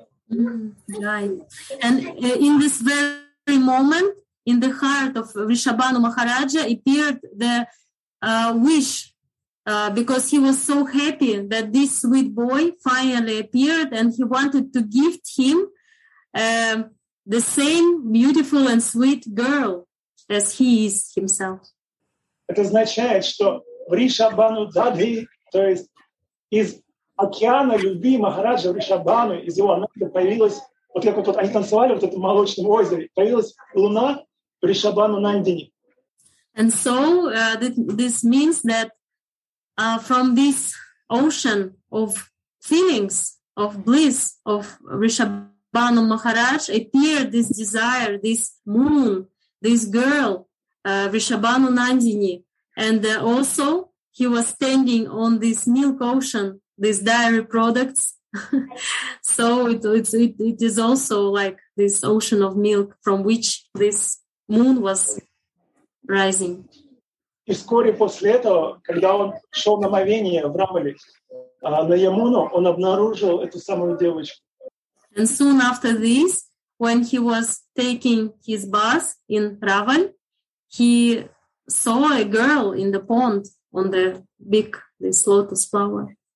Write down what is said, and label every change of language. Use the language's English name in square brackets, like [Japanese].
[English] And in this very moment, in the heart of Vrishabhanu Maharaja appeared the wish, because he was so happy that this sweet boy finally appeared and he wanted to gift him the same beautiful and sweet girl as he is himself. [Russian] Это означает, что Vrishabhanu Dadhi, то есть из океана любви Махараджа Vrishabhanu, из его ананды появилась, вот как вот они танцевали вот этом молочном озере, появилась луна, [English] and so this means that from this ocean of feelings, of bliss, of Vrishabhanu Maharaj appeared this desire, this moon, this girl, Vrishabhanu Nandini. And also he was standing on this milk ocean, these dairy products. So it is also like this ocean of milk from which this moon was rising. [Russian] И вскоре после этого, когда он шел на омовение в Рамале, на Ямуну, он обнаружил эту самую девочку. [English] And soon after this, when he was taking his bath in Raval, he saw a girl in the pond on the big this lotus flower.